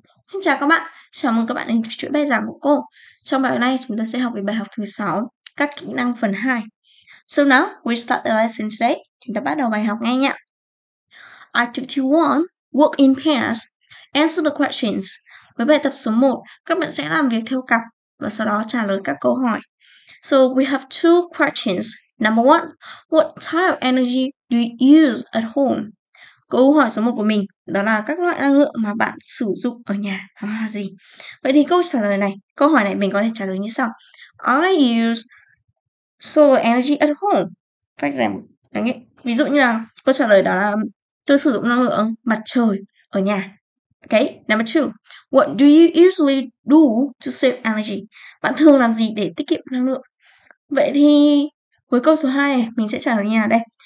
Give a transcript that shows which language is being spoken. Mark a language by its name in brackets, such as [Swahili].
[Vietnamese] Xin chào các bạn, chào mừng các bạn đến với chuỗi bài giảng của cô. Trong bài này, chúng ta sẽ học về bài học thứ 6, các kỹ năng phần 2. [English] So now, we start the lesson today. [Vietnamese] Chúng ta bắt đầu bài học ngay nhé. [English] Activity 1, work in pairs. Answer the questions. [Vietnamese] Với bài tập số 1, các bạn sẽ làm việc theo cặp và sau đó trả lời các câu hỏi. [English] So we have two questions. Number 1, what type of energy do you use at home? [Vietnamese] Câu hỏi số 1 của mình, đó là các loại năng lượng mà bạn sử dụng ở nhà là gì? Vậy thì câu trả lời này, câu hỏi này mình có thể trả lời như sau. [English] I use solar energy at home. For example, [Vietnamese] ví dụ như là câu trả lời đó là tôi sử dụng năng lượng mặt trời ở nhà. [English] Okay, number 2. What do you usually do to save energy? [Vietnamese] Bạn thường làm gì để tiết kiệm năng lượng? Vậy thì với câu số 2 này, mình sẽ trả lời như nào đây?